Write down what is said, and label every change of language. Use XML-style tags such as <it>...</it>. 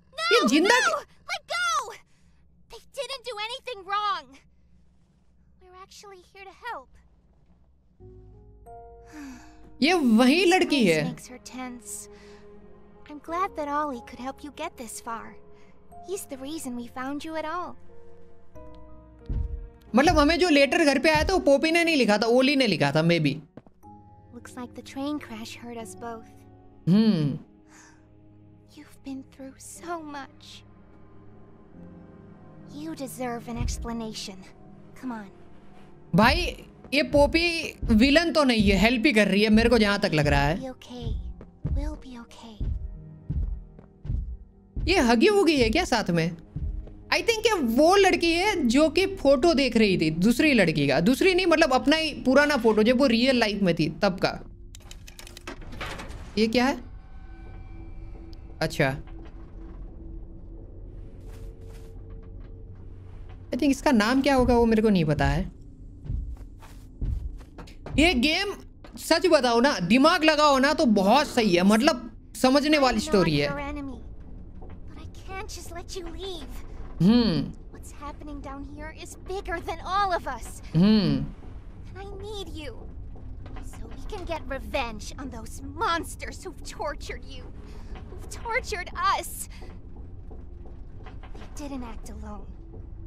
<hi>ये जिंदा,</hi> <en>Let go, they didn't do anything wrong, we are actually here to help.</en> <hi>ये वही लड़की है।</hi> <en>I am glad that Ollie could help you get this far, He's the reason we found you at all.</en> <hi>मतलब हमें जो letter घर पे आया था वो पोपी ने नहीं लिखा था, ओली ने लिखा था, maybe.</hi> <en>Looks like the train crash hurt us both. Hmm. You've been through so much. You deserve an explanation. Come on.</en> <hi>भाई ये पोपी विलन तो नहीं है, हेल्प ही कर रही है मेरे को जहां तक लग रहा है.</hi> <en>Okay. We'll be okay.</en> <hi>ये हगी हुगी है क्या साथ में?</hi> <en>I think</en> <hi>ये वो लड़की है जो कि फोटो देख रही थी दूसरी लड़की का. दूसरी नहीं मतलब अपना ही पुराना फोटो जब वो रियल लाइफ में थी तब का. ये क्या है? अच्छा</hi> <en>I think</en> <hi>इसका नाम क्या होगा वो मेरे को नहीं पता है. ये गेम सच बताओ ना, दिमाग लगाओ ना तो बहुत सही है. मतलब समझने वाली स्टोरी है.</hi> <en>Can't just let you leave. Hmm. What's happening down here is bigger than all of us. Hmm. And I need you so we can get revenge on those monsters who've tortured you, who've tortured us. They didn't act alone.</en>